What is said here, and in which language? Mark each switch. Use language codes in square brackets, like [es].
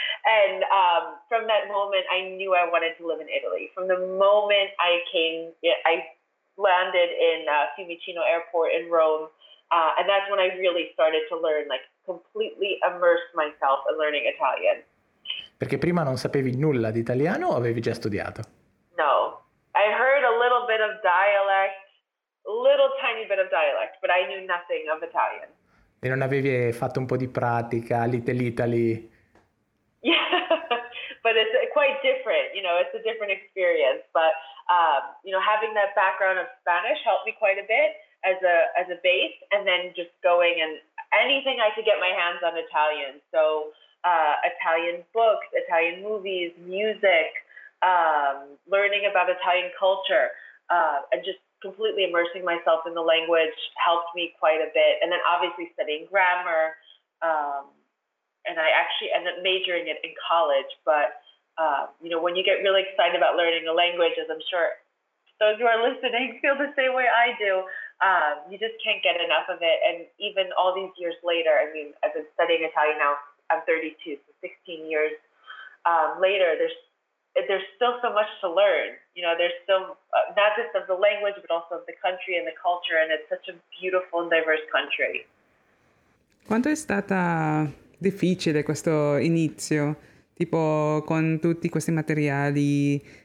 [en] And from that moment, I knew I wanted to live in Italy. From the moment I came, I landed in Fiumicino Airport in Rome. And that's when I really started to learn, like completely immerse myself in learning Italian. [it] Perché prima non sapevi nulla di italiano o avevi già studiato? [en] No. I heard a little bit of dialect, a little tiny bit of dialect, but I knew nothing of Italian. [it] E non avevi fatto un po' di pratica, Little Italy? [en] Yeah, but it's quite different, you know, it's a different experience. But, you know, having that background of Spanish helped me quite a bit as a base, and then just going and anything I could get my hands on Italian. So Italian books, Italian movies, music, learning about Italian culture, and just completely immersing myself in the language helped me quite a bit. And then obviously studying grammar. And I actually ended up majoring it in college. But, you know, when you get really excited about learning a language, as I'm sure those who are listening feel the same way I do, you just can't get enough of it. And even all these years later, I mean, I've been studying Italian now, I'm 32, so 16 years later, there's still so much to learn. You know, there's still not just of the language, but also of the country and the culture. And it's such a beautiful and diverse country. Quanto è stata difficile questo inizio? Tipo con tutti questi materiali,